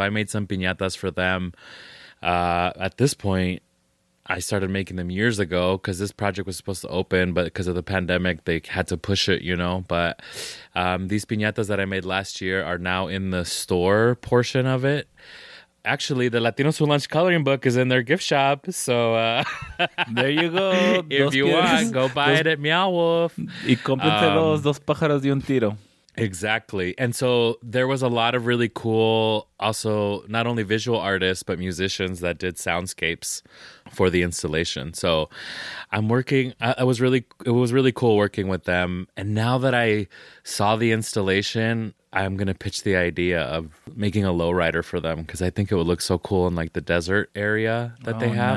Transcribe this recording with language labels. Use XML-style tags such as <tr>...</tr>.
<en>So I made some piñatas for them. At this point, I started making them years ago because this project was supposed to open, but because of the pandemic, they had to push it, you know. But these piñatas that I made last year are now in the store portion of it. Actually, the Latinos Who Lunch coloring book is in their gift shop. So there you go. If you want, go buy it at Meow Wolf.</en> <es>Y cómprate los dos pájaros de un tiro.</es> <en>Exactly. And so there was a lot of really cool, also not only visual artists, but musicians that did soundscapes for the installation. So I'm working, it was really cool working with them. And now that I saw the installation, I'm going to pitch the idea of making a lowrider for them, because I think it would look so cool in like the desert area that they have.</en>